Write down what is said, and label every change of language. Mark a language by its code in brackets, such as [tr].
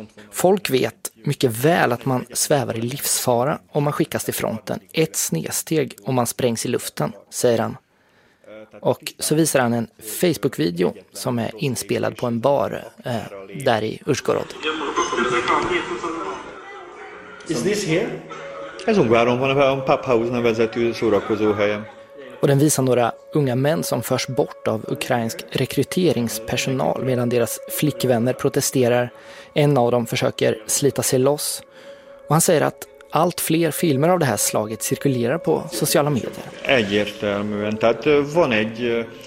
[sv] Folk vet mycket väl att man svävar i livsfara om man skickas till fronten. Ett snedsteg om man sprängs i luften, säger han. Och så visar han en Facebook-video som är inspelad på en bar där i Uzhgorod. [en] Is this here? [hu] Ez Ungváron van, a papháznevezetű szórakozóhelyem. [sv] och den visar några unga män som förs bort av ukrainsk rekryteringspersonal medan deras flickvänner protesterar. En av dem försöker slita sig loss och han säger att allt fler filmer av det här slaget cirkulerar på sociala medier.